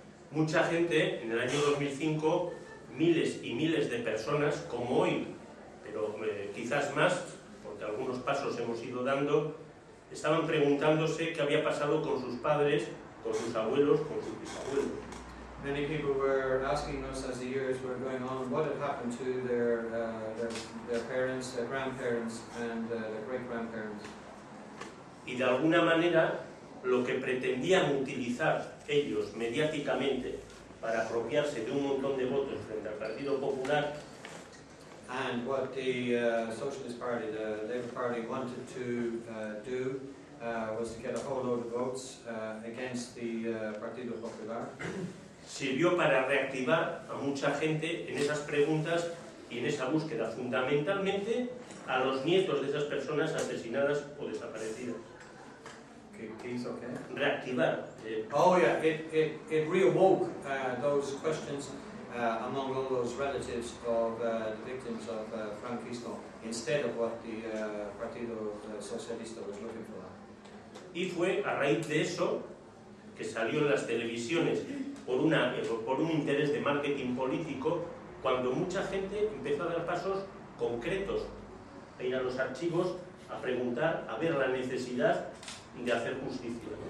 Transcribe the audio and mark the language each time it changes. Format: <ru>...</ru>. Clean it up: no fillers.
<es>Mucha gente, en el año 2005, miles y miles de personas, como hoy, pero quizás más, porque algunos pasos hemos ido dando, estaban preguntándose qué había pasado con sus padres, con sus abuelos, con sus bisabuelos.</es> <en>Many people were asking us as the years were going on what had happened to their parents, their grandparents, and their great-grandparents.</en> <es>Y de alguna manera, lo que pretendían utilizar ellos mediáticamente para apropiarse de un montón de votos frente al Partido Popular.</es> <en>And what the Socialist Party, the Labour Party, wanted to do was to get a whole load of votes against the Partido Popular.</en> <es>Sirvió para reactivar a mucha gente en esas preguntas y en esa búsqueda, fundamentalmente a los nietos de esas personas asesinadas o desaparecidas. ¿Qué hizo qué? Reactivar.</es> <en>Oh, yeah, it reawoke those questions among all those relatives of the victims of Franquismo, instead of what the Partido Socialista was looking for.</en> <es>Y fue a raíz de eso que salió en las televisiones por un interés de marketing político, cuando mucha gente empezó a dar pasos concretos, a ir a los archivos, a preguntar, a ver la necesidad de hacer justicia.</es>